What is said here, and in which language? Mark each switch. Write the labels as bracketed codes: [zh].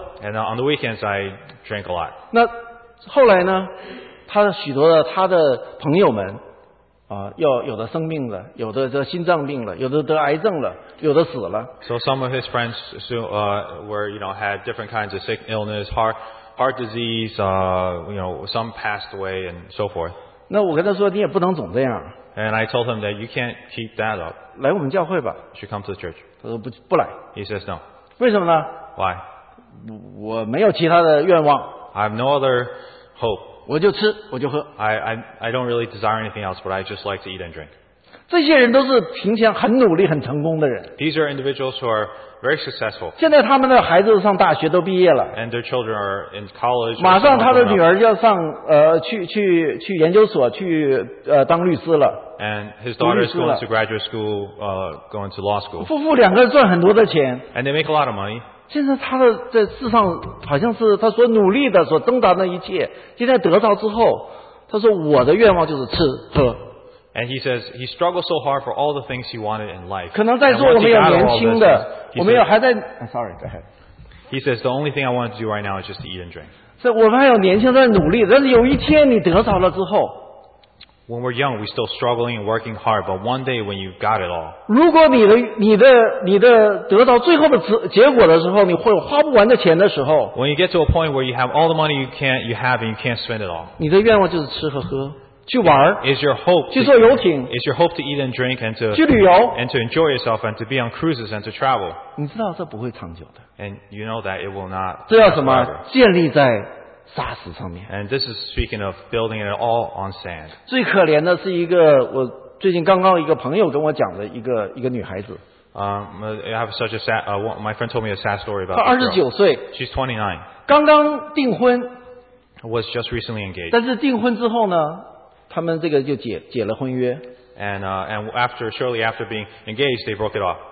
[en] And on the weekends I drink a lot. [zh] 那后来呢，他许多的他的朋友们，有的生病了，有的得心脏病了，有的得癌症了，有的死了。 [en] So some of his friends had different kinds of sick illness, heart disease, some passed away and so forth. [zh] 那我跟他说，你也不能总这样。 [en] And I told him that you can't keep that up. [zh] 来我们教会吧。 [en] You should come to the church. [zh] 他说不来。 [en] He says no. [zh] 为什么呢？ [en] Why? [zh] 我没有其他的愿望。 [en] I have no other hope. [zh] 我就吃，我就喝。 [en] I don't really desire anything else, but I just like to eat and drink. [zh] 这些人都是平常很努力、很成功的人。 [en] These are individuals who are very successful. [zh] 现在他们的孩子上大学都毕业了。 [en] And their children are in college. [zh] 马上他的女儿要上去研究所去当律师了。 [en] And his daughter is going to graduate school, going to law school. [zh] 夫妇两个赚很多的钱。 [en] And they make a lot of money. [zh] 现在他的在世上好像是他所努力的、所挣扎的一切，现在得到之后，他说我的愿望就是吃喝。 [en] And he says he struggled so hard for all the things he wanted in life. [zh] 可能在座我们有年轻的，我们有还在。 [en] Sorry, go ahead. He says the only thing I want to do right now is just to eat and drink. [zh] 是我们还有年轻在努力，但是有一天你得着了之后。 [en] When we're young, we're still struggling and working hard, but one day when you've got it all. [zh] 如果你的得到最后的结果的时候，你会有花不完的钱的时候。 [en] When you get to a point where you have all the money you have and you can't spend it all. [zh] 你的愿望就是吃和喝。去玩 [en] is your hope [zh] 去坐游艇 [en] is your hope to eat and drink and to, [zh] 去旅游 [en] and to enjoy yourself and to be on cruises and to travel [zh] 你知道这不会长久的 [en] and you know that it will not [zh] 这要什么建立在沙石上面 [en] and this is speaking of building it all on sand [zh] 最可怜的是一个我最近刚刚一个朋友跟我讲的一个女孩子 [en] I have such a sad my friend told me a sad story about [zh] 她29岁 [en] she's 29 [zh] 刚刚订婚 [en] was just recently engaged [zh] 但是订婚之后呢他们这个就解了婚约。 [en] And shortly after being engaged, they broke it off.